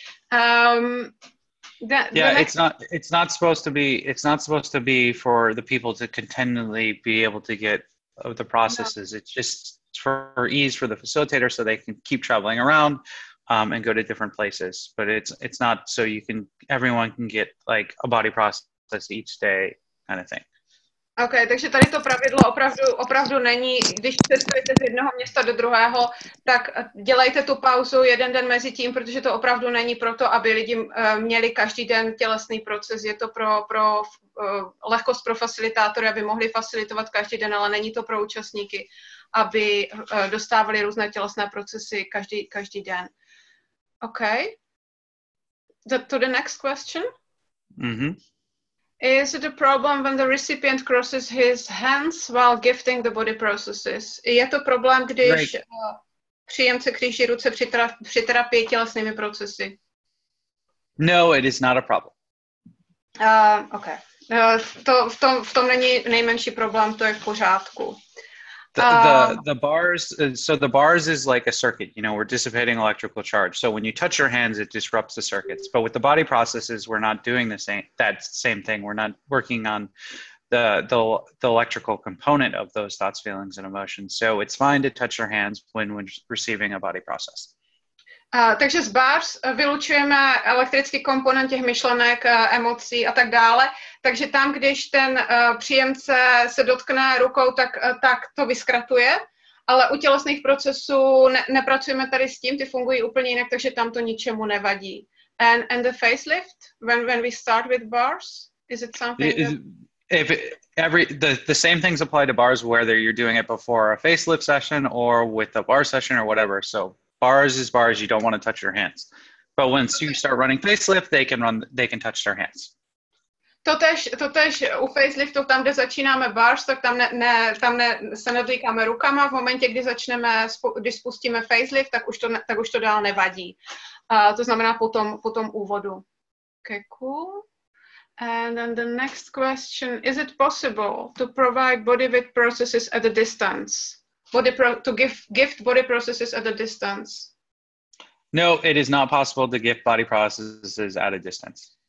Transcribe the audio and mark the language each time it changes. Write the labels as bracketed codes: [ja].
[en] It's not supposed to be for the people to continually be able to get the processes. No. It's just for ease for the facilitator so they can keep traveling around and go to different places. But it's not so everyone can get like a body process each day kind of thing. [cs] Okay, takže tady to pravidlo opravdu není, když cestujete z jednoho města do druhého, tak dělejte tu pauzu jeden den mezi tím, protože to opravdu není proto, aby lidi měli každý den tělesný proces. Je to pro lehkost pro facilitátory, aby mohli facilitovat každý den, ale není to pro účastníky, aby dostávali různé tělesné procesy každý den. [en] Okay. To the next question. Mm-hmm. Is it a problem when the recipient crosses his hands while gifting the body processes? [cs] Je to problém, když příjemce kříží ruce při terapii tělesnými procesy? [en] No, it is not a problem. Okay. [cs] To v tom není nejmenší problém, to je v pořádku. [en] The bars is like a circuit, you know, we're dissipating electrical charge. So when you touch your hands, it disrupts the circuits. But with the body processes, we're not doing the same thing. We're not working on the electrical component of those thoughts, feelings, and emotions. So it's fine to touch your hands when receiving a body process. [cs] Takže z bars vylučujeme elektrický komponent těch myšlenek, emocí a tak dále. Takže tam, když ten příjemce se dotkne rukou, tak to vyskratuje. Ale u tělesných procesů nepracujeme tady s tím, ty fungují úplně jinak, takže tam to ničemu nevadí. [en] And the facelift, when we start with bars, is it something The same things apply to bars, whether you're doing it before a facelift session or with a bar session or whatever, so... Bars is bars, you don't want to touch your hands. But once you start running facelift, they can touch their hands. [cs] Totéž u faceliftu, tam, kde začínáme bars, tak tam se nedotýkáme rukama. V momentě, kdy spustíme facelift, tak už to dál nevadí. To znamená potom úvodu. Okay, cool. [en] And then the next question, is it possible to provide body with processes at a distance? To gift body processes at a distance. No, it is not possible to gift body processes at a distance.